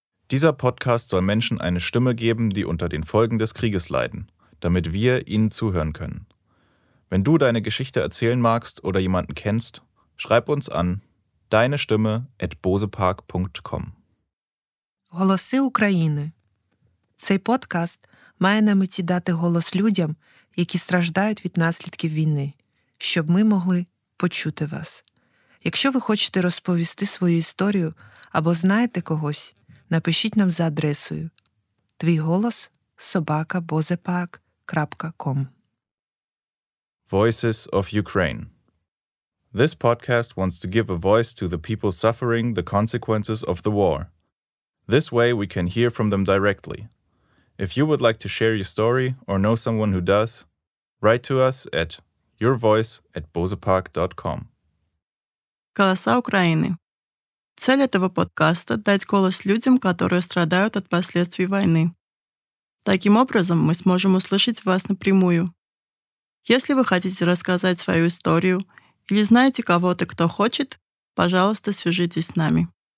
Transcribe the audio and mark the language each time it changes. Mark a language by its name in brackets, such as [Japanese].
[German] Dieser Podcast soll Menschen eine Stimme geben, die unter den Folgen des Krieges leiden, damit wir ihnen zuhören können. Wenn du deine Geschichte erzählen magst oder jemanden kennst, schreib uns an deinestimme@bosepark.com. [Ukrainian] Голоси України. Цей подкаст має на меті дати голос людям, які страждають від наслідків війни, щоб ми могли почути вас. Якщо ви хочете розповісти свою історію або знаєте когось, напишіть нам за адресою твійголос@bosepark.com. [English] Voices of Ukraine. This podcast wants to give a voice to the people suffering the consequences of the war. This way we can hear from them directly. If you would like to share your story or know someone who does, write to us at yourvoice@bosepark.com. [Russian] Голоса України. Цель этого подкаста – дать голос людям, которые страдают от последствий войны. Таким образом, мы сможем услышать вас напрямую. Если вы хотите рассказать свою историю или знаете кого-то, кто хочет, пожалуйста, свяжитесь с нами.